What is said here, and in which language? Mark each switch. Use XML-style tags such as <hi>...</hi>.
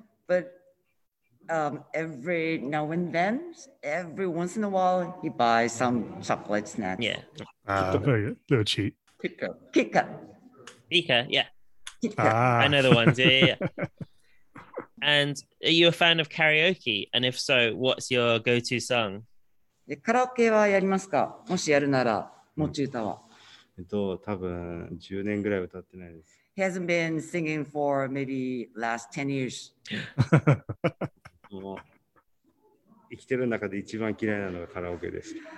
<en>But every now and then, every once in a while, he buys some chocolate snacks. Yeah. Little cheat. Kitka. Yeah. I know the ones. Yeah. And are you a fan of karaoke? And if so, what's your go-to song?</en> <ja>Karaoke はやりますか? もしやるなら、持ち歌は。多分10年ぐらい歌ってないです。</ja> <en>He hasn't been singing for maybe last 10 years.</en> <ja>もう生きてる中で一番嫌いなのがカラオケです。</ja>